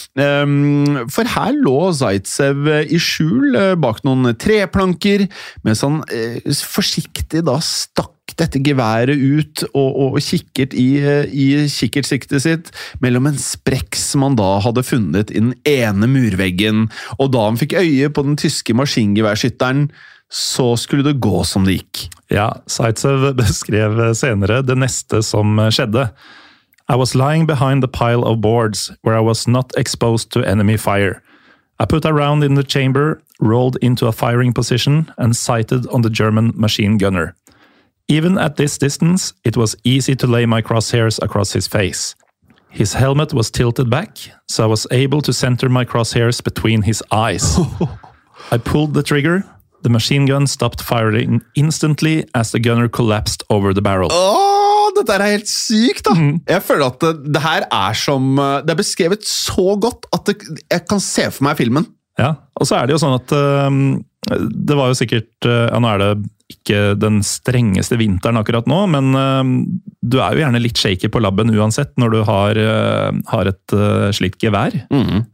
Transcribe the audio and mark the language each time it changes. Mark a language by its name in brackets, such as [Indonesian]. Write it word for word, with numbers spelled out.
[Norwegian] Eh, for her lå Zaitsev i skjul eh, bak noen treplanker, mens han eh, forsiktig da stakk dette geværet ut og, og kikkert i, i kikkertsiktet sitt mellom en sprekk som han da hadde funnet i den ene murveggen, og da han fikk øye på den tyske maskingeværskytteren, så skulle det gå som det gikk. Ja, Zaitsev beskrev senere det neste som skjedde. [English] I was lying behind the pile of boards, where I was not exposed to enemy fire. I put a round in the chamber, rolled into a firing position, and sighted on the German machine gunner. Even at this distance, it was easy to lay my crosshairs across his face. His helmet was tilted back, so I was able to center my crosshairs between his eyes. I pulled the trigger. The machine gun stopped firing instantly as the gunner collapsed over the barrel. [Norwegian] Åh, dette er helt sykt da! Mm. Jeg føler at det, det her er som... Det er beskrevet så godt at det, jeg kan se for meg filmen. Ja, og så er det jo sånn at... Um, det var jo sikkert... Ja, nå er det... ikke den strengeste vinteren akkurat nå, men uh, du er jo gjerne litt shaky på labben uansett når du har, uh, har et uh, slikt gevær. Mm.